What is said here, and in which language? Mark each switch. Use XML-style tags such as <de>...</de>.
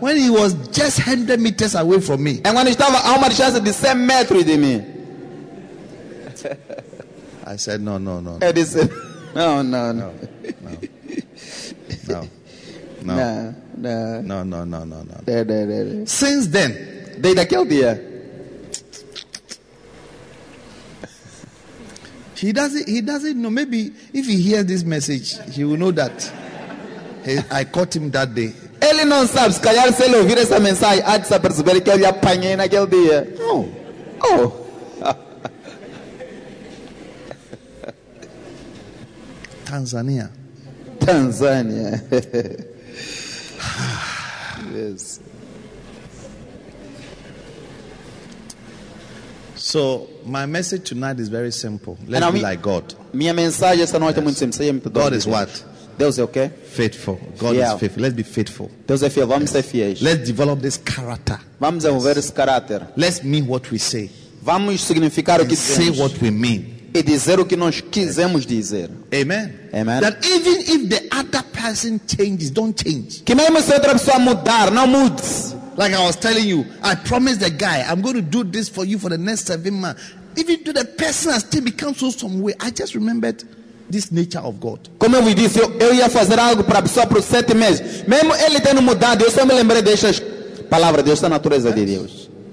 <en>When he was just 100 meters away from me. And when</en> <pt>he estava a uma distância de 100 metros de mim.</pt> <en>I said, no.</en> <pt>É disse.</pt> <en>No. Since then,</en> <pt>desde aquele dia,</pt> <en>he doesn't know. Maybe if he hears this message, he will know that I caught him that day.</en> <pt>ele não sabe, se calhar se ele ouvir essa mensagem, há de se aperceber que eu lhe apanhei naquele dia. Não. Oh. Tanzânia. Tanzânia.</pt> <en>Yes. So, my message tonight is very simple. Let me be like God.</en> <pt>Minha mensagem essa noite é muito simples.</pt> <en>God is what?</en> <pt>Deus é o quê?</pt> <en>Faithful. God is faithful. Let's be faithful.</en> <pt>Deus é fiel. Vamos ser fiéis.</pt> <en>Let's develop this character.</en> <pt>Vamos desenvolver esse caráter.</pt> <en>Let's mean what we say.</en> <pt>Vamos significar o que dizemos.</pt> <en>Say what we mean.</en> <pt>E dizer o que nós quisemos dizer.</pt> <en>Amen.</en> <pt>Amen.</pt> <en>That even if the other person changes, don't change.</en> <pt>Que mesmo se outra pessoa mudar, não mude.</pt> <en>Like I was telling you, I promised the guy, I'm going to do this for you for the next 7 months. Even to the person has still become so some way. I just remembered this nature of God.</en> <pt>Como eu disse, eu ia fazer algo para a pessoa por 7 meses. Mesmo ele tendo mudado, eu só me lembrei dessas palavras, dessa natureza de Deus.</pt>